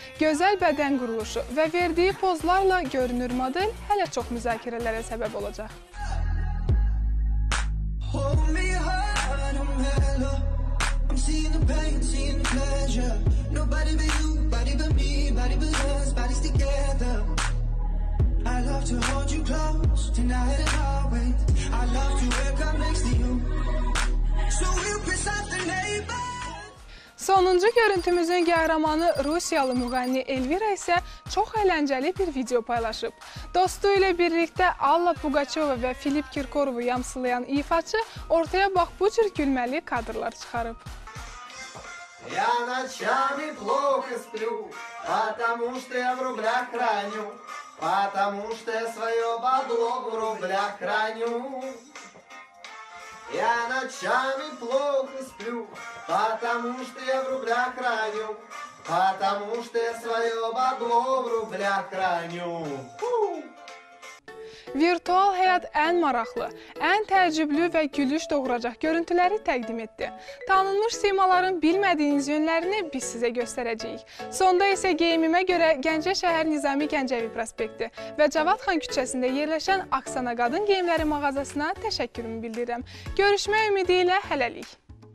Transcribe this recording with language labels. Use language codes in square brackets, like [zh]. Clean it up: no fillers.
[az] Gözəl bədən quruluşu və verdiyi pozlarla görünür model hələ çox müzakirələrə səbəb olacaq. [en] Hold me hard, I'm hello. I'm seeing the pain, seeing the pleasure. Nobody but you, body but me, body but us, bodies together. I love to hold you close, tonight and always. I love to wake up next to you. So we'll piss off the neighbor. [az] Sonuncu görüntümüzün qəhrəmanı Rusiyalı müğənni Elvira isə çox əyləncəli bir video paylaşıb. Dostu ilə birlikdə Alla Pugaçova və Filip Kirkorovu yamsılayan ifaçı ortaya bax bu cür gülməli kadrlar çıxarıb. [ru] Я ночами плохо сплю, потому что я в рублях храню, потому что я свое бабло в рублях храню. Я ночами плохо сплю, потому что я в рублях храню, Потому что я свое бабло в рублях храню. [az] Virtual həyat ən maraqlı, ən təəccüblü və gülüş doğuracaq görüntüləri təqdim etdi. Tanınmış simaların bilmədiyiniz yönlərini biz sizə göstərəcəyik. Sonda isə geyimimə görə Gəncə şəhər Nizami Gəncəvi prospekti və Cavadxan küçəsində yerləşən Aksana qadın geyimləri mağazasına təşəkkürümü bildirirəm. Görüşmək ümidi ilə hələlik.